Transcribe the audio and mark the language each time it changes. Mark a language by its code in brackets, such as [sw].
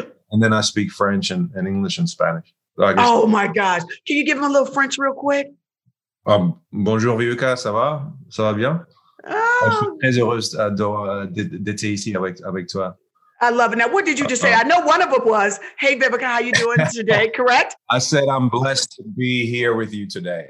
[en] And then I speak French and English and Spanish. So oh, my gosh. Can you give him a little French real quick? [fr] Bonjour, Vivica, ça va bien? Je suis très heureuse d'être ici avec toi. [en] I love it. Now, what did you just say? I know one of them was, hey, Vivica, how you doing today, correct? I said, I'm blessed to be here with you today.